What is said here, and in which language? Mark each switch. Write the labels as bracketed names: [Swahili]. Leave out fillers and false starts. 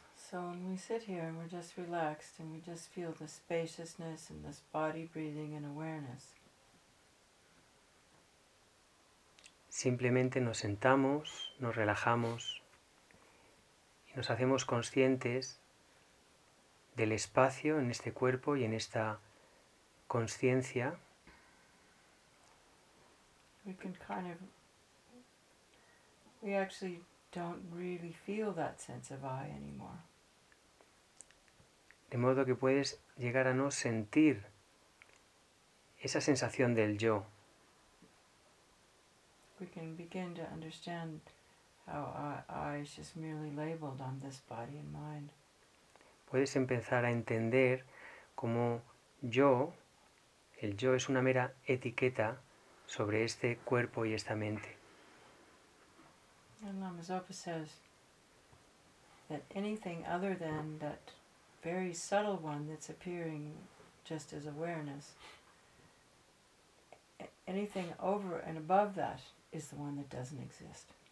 [English] So when we sit here and we're just relaxed and we just feel the spaciousness and this body breathing and awareness. [Spanish] Simplemente nos sentamos, nos relajamos y nos hacemos conscientes del espacio en este cuerpo y en esta conciencia. [English] We actually don't really feel that sense of I anymore. [Spanish] De modo que puedes llegar a no sentir esa sensación del yo. [English] We can begin to understand how I is just merely labeled on this body and mind. [Spanish] Puedes empezar a entender cómo el yo es una mera etiqueta sobre este cuerpo y esta mente. [English] And Lama Zopa says that anything other than that very subtle one that's appearing just as awareness, anything over and above that is the one that doesn't exist.